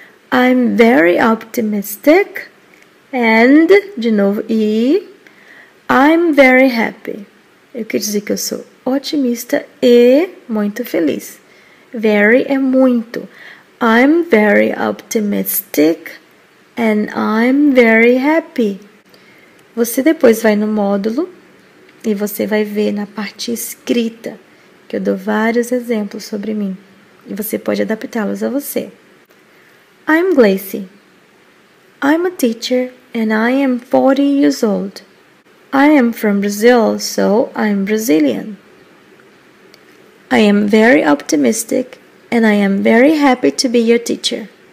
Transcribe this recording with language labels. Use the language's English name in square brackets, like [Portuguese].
[English] I'm very optimistic and, [Portuguese] de novo, e [English] I'm very happy. [Portuguese] Eu quis dizer que eu sou otimista e muito feliz. [English] Very [Portuguese] é muito. [English] I'm very optimistic and I'm very happy. [Portuguese] Você depois vai no módulo e você vai ver na parte escrita que eu dou vários exemplos sobre mim e você pode adaptá-los a você. [English] I'm Glacy. I'm a teacher and I am 40 years old. I am from Brazil, so I'm Brazilian. I am very optimistic and I am very happy to be your teacher.